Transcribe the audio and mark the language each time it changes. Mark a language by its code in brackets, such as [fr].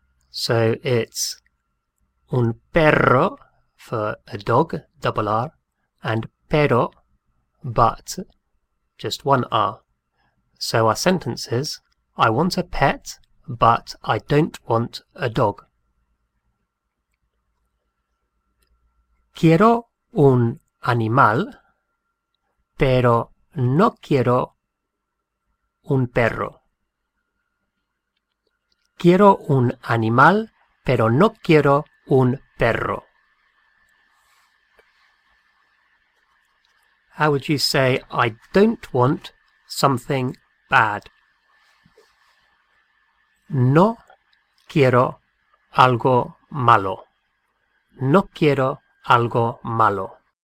[en] So it's un perro for a dog, double R, and pero, but, just one R. So our sentence is, I want a pet, but I don't want a dog. [es] Quiero un animal, pero no quiero un perro. Quiero un animal, pero no quiero un perro. [en] How would you say, I don't want something bad? [es] No quiero algo malo. No quiero algo malo.